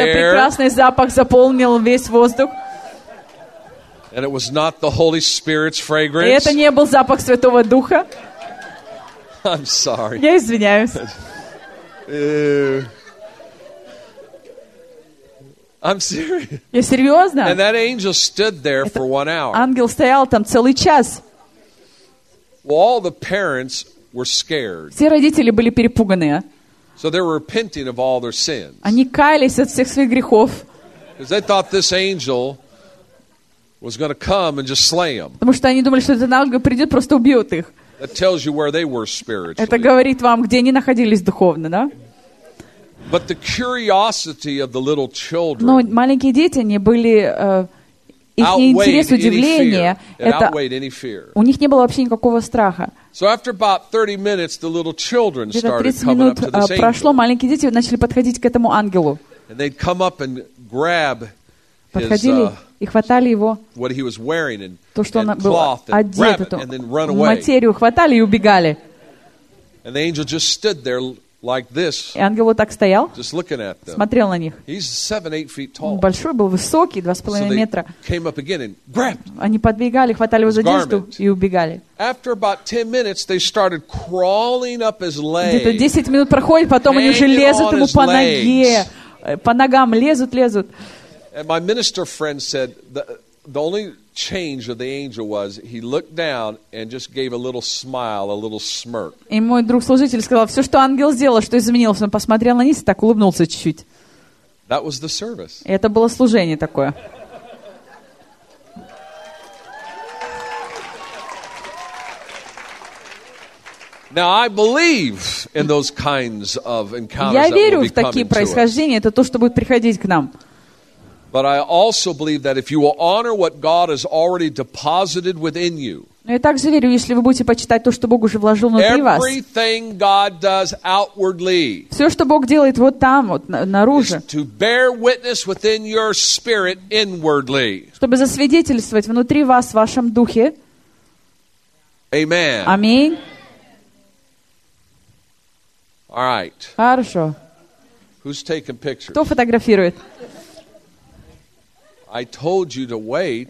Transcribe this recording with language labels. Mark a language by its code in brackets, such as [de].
[ru] Этот прекрасный запах заполнил весь воздух. [en] And it was not the Holy Spirit's fragrance. [ru] Это не был запах Святого Духа. [en] I'm sorry. [ru] Я извиняюсь. [en] I'm serious. [ru] Я серьезно. [en] And that angel stood there for 1 hour. [ru] Ангел стоял там целый час. [en] Well, all the parents were scared. [ru] Все родители были перепуганы. [en] So they were repenting of all their sins. [ru] Они каялись от всех своих грехов. [en] Because they thought this angel was going to come and just slay them. [ru] Потому что они думали, что этот ангел придет, просто убьет их. [en] That tells you where they were spiritually. [ru] Это говорит вам, где они находились духовно, да? [en] But the curiosity of the little children. [ru] Но маленькие дети, они были их интерес, удивление. [en] It outweighed any fear. [ru] У них не было вообще никакого страха. [en] So after about 30 minutes, the little children started coming up to this angel. [ru] Где-то 30 минут прошло, маленькие дети начали подходить к этому ангелу. [en] And they'd come up and grab [ru] подходили и хватали его, то, что он был одет, эту материю, хватали и убегали. [en] And the angel just stood there like this, [ru] и ангел вот так стоял, [en] just looking at them. [ru] Смотрел на них. [en] He's 7-8 feet tall. [ru] Он большой был, высокий, 2.5 метра. [en] So they came up again and grabbed. [ru] Они подбегали, хватали его за одежду и убегали. [en] After about 10 minutes, they started crawling up his legs. [ru] Где-то 10 минут проходит, потом они уже лезут ему по ноге, по ногам лезут. [en] And my minister friend said the only change of the angel was he looked down and just gave a little smile, a little smirk. [ru] И мой друг-служитель сказал, все, что ангел сделал, что изменилось, он посмотрел на низ и так улыбнулся чуть-чуть. [en] That was the service. [ru] Это было служение такое. [en] Now I believe in those kinds of encounters. [ru] Я верю в такие происхождения, это то, что будет приходить к нам. [en] But I also believe that if you will honor what God has already deposited within you, everything God does outwardly is to bear witness within your spirit inwardly. [ru] Чтобы засвидетельствовать внутри вас в вашем духе. [en] Amen. [ru] Аминь. [en] All right. [ru] Хорошо. [en] Who's taking pictures? [ru] Кто фотографирует? [en] I told you to wait.